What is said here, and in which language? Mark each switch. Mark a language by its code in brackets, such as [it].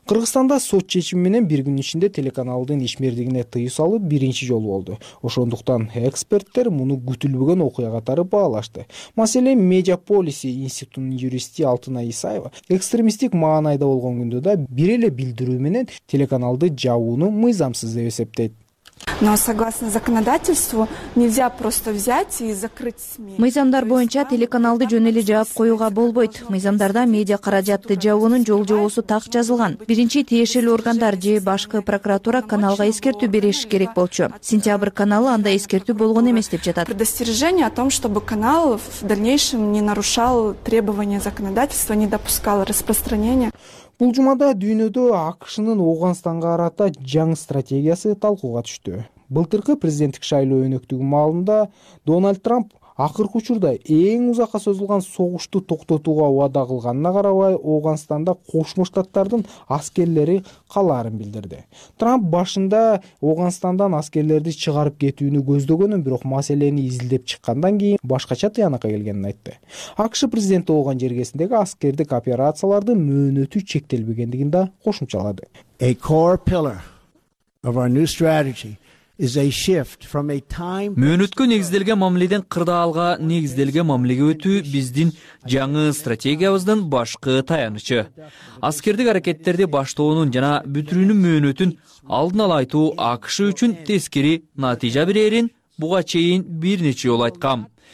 [ky] Кыргызстанда сот чечими менен бир күн ичинде телеканалдын ишмердигине тыюу салуу биринчи жолу болду. Ошондуктан эксперттер муну күтүлбөгөн окуя катары баалашты. Маселен, Медиаполиси институтунун юристи Алтынай Исаева экстремисттик маанайда болгон күндө да бир эле билдирүү менен телеканалды жабууну мыйзамсыз деп эсептейт. [ru] Но согласно законодательству нельзя просто взять и закрыть СМИ. [ky] Мыйзамдар боюнча телеканалды жөн эле жаап коюуга болбойт. Мыйзамдарда медиа каражатты жабуунун жол жобосу так жазылган. Биринчи тиешелүү органдар же башкы прокуратура каналга эскертүү бериши керек болчу. Сентябрь каналы андай эскертүү болгон эмес деп жатат. [ru] Предостережение о том, чтобы канал в дальнейшем не нарушал требования законодательства, не допускал распространения. [ky] Бул жумада дүйнөдө АКШнын Ооганстанга карата жаңы стратегиясы талкууга түштү. Былтыркы президенттик шайлоо өнөктүгү маалында Дональд Трамп акыркы учурда эң узакка созулган согушту токтотууга убада кылганына карабай, Ооганстанда Кошмо Штаттардын аскерлери калаарын билдирди. Трамп башында Оогонстандан аскерлерди чыгарып кетүүнү көздөгөнүн, бирок маселени изилдеп чыккандан кийин башкача тыянакка келгенин айтты. АКШ президенти Ооган жергесиндеги аскердик операциялардын мөөнөтү чектелбегендигин да кошумчалады. [en] A core pillar of our new strategy is a shift from a time [ky] мөөнөткө негизделген мамиледен кырдаалга негизделген мамилеге өтүү биздин жаңы стратегиябыздын башкы таянычы. Аскердик аракеттерди баштоонун жана бүтүрүүнүн мөөнөтүн алдын ала айтуу АКШ үчүн тескери натыйжа берерин буга чейин бир нече жолу айткам.